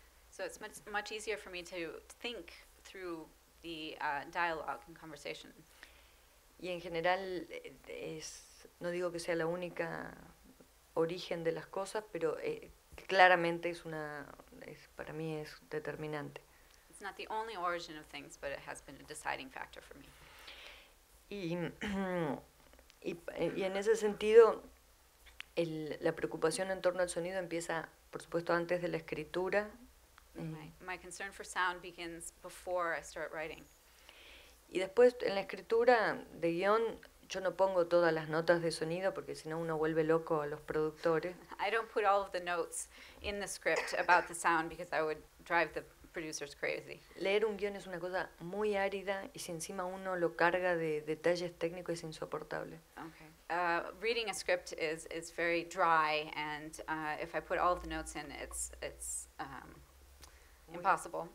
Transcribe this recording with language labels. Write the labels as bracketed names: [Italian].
[English] So it's much easier for me to think through the dialogue and conversation. [Spanish] Y en general es, no digo que sea la única origen de las cosas, pero claramente para mí es determinante. [English] It's not the only origin of things, but it has been a deciding factor for me. [Spanish] Y en ese sentido, la preocupación en torno al sonido empieza, por supuesto, antes de la escritura. [English] My concern for sound begins before I start writing. [Spanish] Y después, en la escritura de guión, yo no pongo todas las notas de sonido porque si no uno vuelve loco a los productores. [English] I don't put all of the notes in the script about the sound because I would drive the producers crazy. [Spanish] Leer un guión es una cosa muy árida y si encima uno lo carga de detalles técnicos es insoportable. [English] Okay. Reading a script is very dry and if I put all of the notes in, it's impossible.